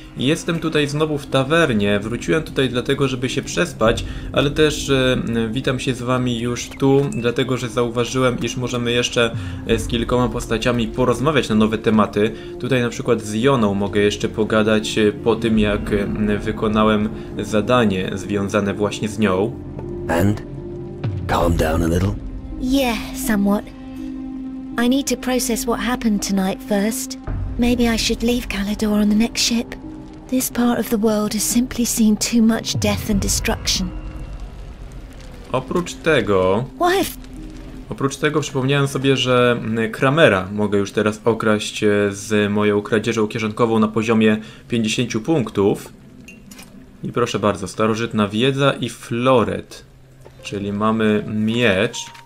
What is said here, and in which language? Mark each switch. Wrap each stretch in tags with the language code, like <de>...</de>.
<pl>Jestem tutaj znowu w tawernie, wróciłem tutaj dlatego, żeby się przespać, ale też witam się z wami już tu, dlatego że zauważyłem, iż możemy jeszcze z kilkoma postaciami porozmawiać na nowe tematy. Tutaj na przykład z Joną mogę jeszcze pogadać po tym, jak wykonałem zadanie związane właśnie z nią.</pl> <en>And? Calm down a little. Yeah, somewhat. I need to process what happened tonight first. Maybe I should leave Kalidor on the next ship. This part of the world has simply seen too much death and destruction.</en> <pl>Oprócz tego...</pl> <en>What?</en> <pl>Oprócz tego przypomniałem sobie, że Kramera mogę już teraz okraść z moją kradzieżą kieszonkową na poziomie 50 punktów. I proszę bardzo, starożytna wiedza i floret. Czyli mamy miecz.</pl>